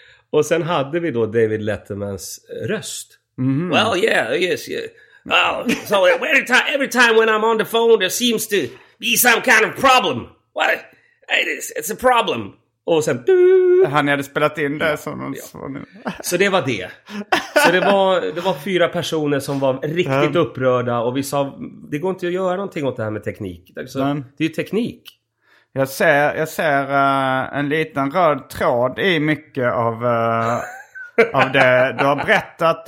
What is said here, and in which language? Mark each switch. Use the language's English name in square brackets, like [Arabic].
[Swedish] Och sen hade vi då David Lettermans röst. Mm-hmm. [English] Well, yeah, yes. Yeah. Oh, so every time when I'm on the phone there seems to be some kind of problem. What? It's a problem. [Swedish] Och sen... Han hade spelat in det som en sån. Så det var det. Så det var fyra personer som var riktigt upprörda. Och vi sa, det går inte att göra någonting åt det här med teknik. Så, det är ju teknik. Jag ser en liten röd tråd i mycket av, av det du har berättat.